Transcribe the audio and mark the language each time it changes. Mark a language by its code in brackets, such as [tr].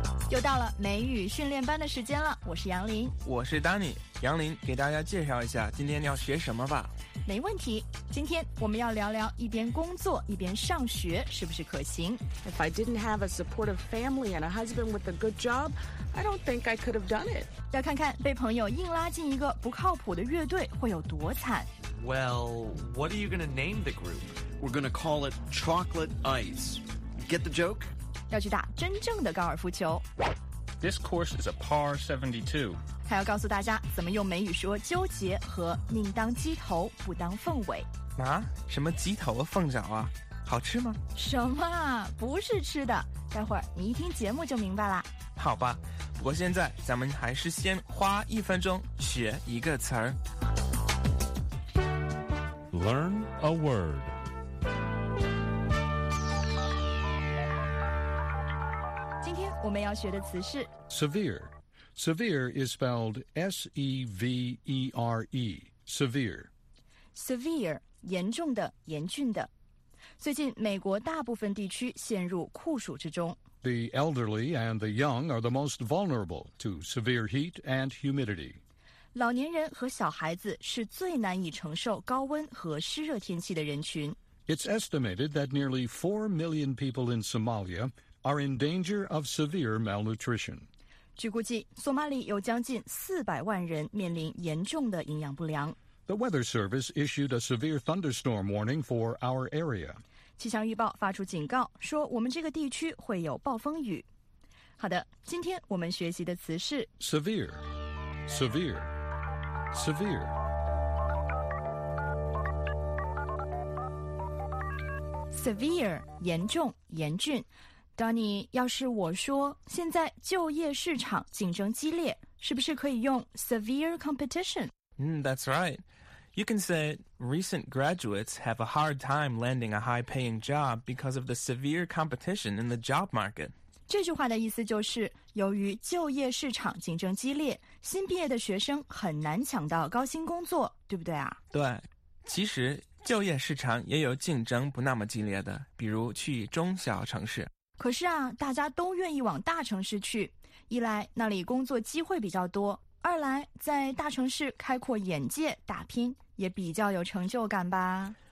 [zh] 又到了美语训练班的时间了，我是杨林，我是 Danny。杨林给大家介绍一下今天要学什么吧。没问题，今天我们要聊聊一边工作一边上学是不是可行。 [en] If I didn't have a supportive family and a husband with a good job, I don't think I could have done it. [zh] 要看看被朋友硬拉进一个不靠谱的乐队会有多惨。 [en] Well, what are you going to name the group? We're going to call it Chocolate Ice. Get the joke? [zh] 要去打真正的高尔夫球。 [en] This course is a par 72. [zh] 他要告诉大家怎么用美语说纠结和宁当鸡头不当凤尾。啊？什么鸡头凤脚啊？好吃吗？什么？不是吃的。待会儿你一听节目就明白了。好吧，不过现在咱们还是先花一分钟学一个词儿。 [en] Learn a word. [zh] 我们要学的词是 [en] severe. Severe is spelled S-E-V-E-R-E. Severe. [zh] Severe, 严重的，严峻的。最近美国大部分地区陷入酷暑之中。 [en] The elderly and the young are the most vulnerable to severe heat and humidity. [zh] 老年人和小孩子是最难以承受高温和湿热天气的人群。 [en] It's estimated that nearly 4 million people in Somalia... are in danger of severe malnutrition. [zh] 据估计，索马里有将近400万人面临严重的营养不良。 [en] The Weather Service issued a severe thunderstorm warning for our area. [zh] 气象预报发出警告，说我们这个地区会有暴风雨。好的，今天我们学习的词是 [en] severe, severe, severe. [zh] Severe, 严重，严峻。Danny, 要是我说现在就业市场竞争激烈，是不是可以用 [en] severe competition? That's right. You can say recent graduates have a hard time landing a high-paying job because of the severe competition in the job market. [zh] 这句话的意思就是，由于就业市场竞争激烈，新毕业的学生很难抢到高薪工作，对不对啊？对，其实就业市场也有竞争不那么激烈的，比如去中小城市。可是啊，大家都愿意往大城市去，一来那里工作机会比较多，二来在大城市开阔眼界打拼也比较有成就感吧。